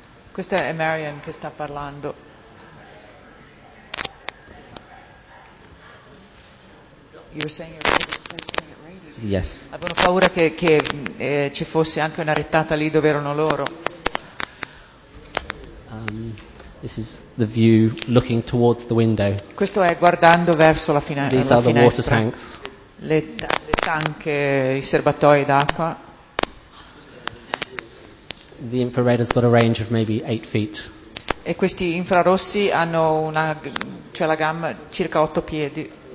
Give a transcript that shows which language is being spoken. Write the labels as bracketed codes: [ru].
[it] Questa è Marian che sta parlando. [en] You were saying it. Yes. [it] Avevano paura che ci fosse anche una rettata lì dove erano loro. [en] This is the view looking towards the window. [it] Questo è guardando verso la finestra. [en] These are the water tanks. [it] Le tanche, i serbatoi d'acqua. [en] The infrared has got a range of maybe 8 feet. [it] E questi infrarossi hanno una, cioè la gamma circa 8 piedi.